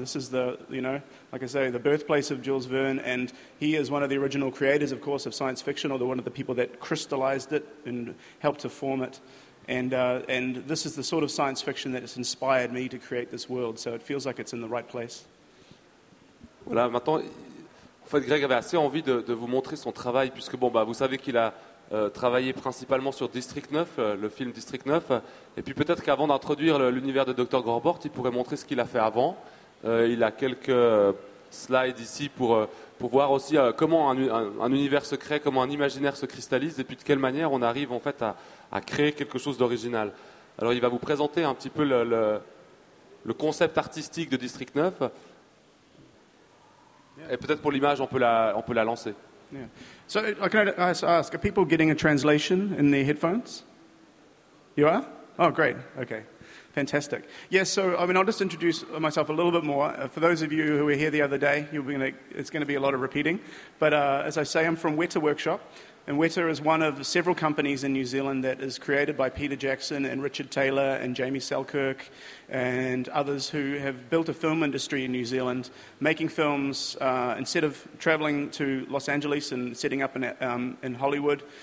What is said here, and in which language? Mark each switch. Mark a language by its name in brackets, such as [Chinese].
[English] This is the birthplace of Jules Verne. And he is one of the original creators, of course, of science fiction, or one of the people that crystallized it and helped to form it. And this is the sort of science fiction that has inspired me to create this world. So it feels like it's in the right place. [French] Voilà, maintenant, en fait, Greg avait assez envie de vous montrer son travail, puisque vous savez qu'il a travaillé principalement sur District 9, le film District 9. Et puis peut-être qu'avant d'introduire l'univers de Dr. Grodbort, il pourrait montrer ce qu'il a fait avant. Il a quelques slides ici pour voir aussi comment un univers se crée, comment un imaginaire se cristallise, et puis de quelle manière on arrive en fait à créer quelque chose d'original. Alors il va vous présenter un petit peu le concept artistique de District 9. Et peut-être pour l'image, on peut la lancer. [English] Yeah. So, can I ask, are people getting a translation in their headphones? You are? Oh, great. Okay. Fantastic. Yes, so, I'll just introduce myself a little bit more. For those of you who were here the other day, it's going to be a lot of repeating. But as I say, I'm from Weta Workshop. And Weta is one of several companies in New Zealand that is created by Peter Jackson and Richard Taylor and Jamie Selkirk and others who have built a film industry in New Zealand, making films instead of traveling to Los Angeles and setting up in Hollywood.